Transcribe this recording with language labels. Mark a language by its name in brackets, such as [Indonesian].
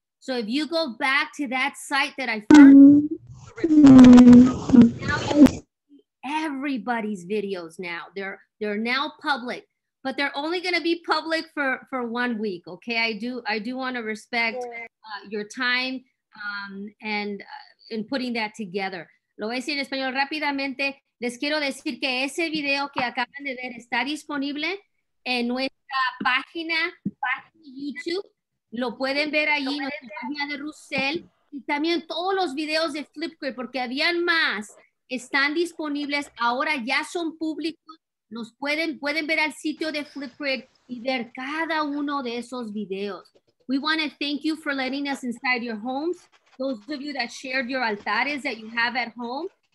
[English] So if you go back to that site that I first, now you see everybody's videos now. They're now public, but they're only going to be public for 1 week, okay? I do want to respect your time and putting that together. [Spanish] Lo voy a decir en español rápidamente. Les quiero decir que ese video que acaban de ver está disponible en nuestra página YouTube. Lo pueden ver allí, en la página de Russell, y también todos los videos de Flipgrid, porque habían más, están disponibles, ahora ya son públicos, los pueden ver al sitio de Flipgrid y ver cada uno de esos videos. [English] We want to thank you for letting us inside your homes, those of you that shared your altares that you have at home.